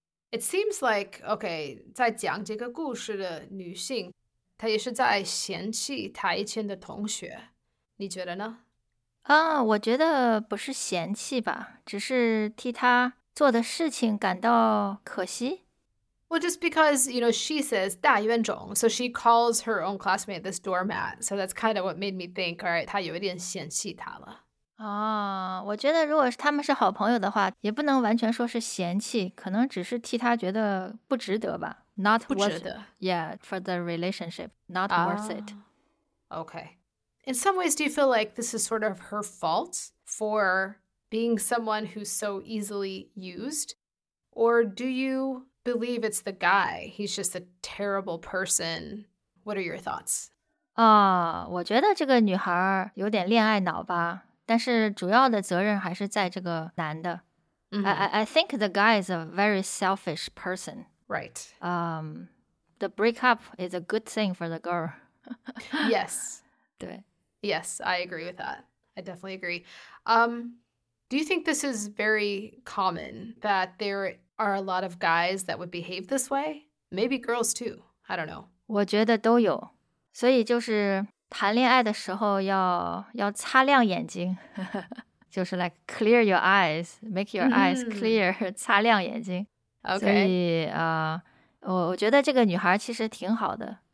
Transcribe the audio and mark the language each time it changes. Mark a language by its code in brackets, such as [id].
[en] It seems like, okay, [zh] 在讲这个故事的女性，她也是在嫌弃她以前的同学。你觉得呢？我觉得不是嫌弃吧，只是替她做的事情感到可惜。 [en] Well, just because, you know, she says 大冤种, so she calls her own classmate this doormat, so that's kind of what made me think, all right, [zh] 她有一点嫌弃她了。我觉得如果他们是好朋友的话，也不能完全说是嫌弃，可能只是替他觉得不值得吧。 [en] Not worth it. Yeah, for the relationship. Not worth it. Okay. In some ways, do you feel like this is sort of her fault for being someone who's so easily used? Or do you believe it's the guy. He's just a terrible person. What are your thoughts? [zh] 我觉得这个女孩有点恋爱脑吧，但是主要的责任还是在这个男的。 [en] I think the guy is a very selfish person. Right. The breakup is a good thing for the girl. Yes. [zh] 对。 [en] Yes, I agree with that. I definitely agree. Do you think this is very common that there are a lot of guys that would behave this way? Maybe girls too. I don't know. [zh] 我觉得都有。所以就是谈恋爱的时候要擦亮眼睛。就是 [en] like clear your eyes, make your eyes clear, 擦亮眼睛。 Okay. [zh] 所以我觉得这个女孩其实挺好的。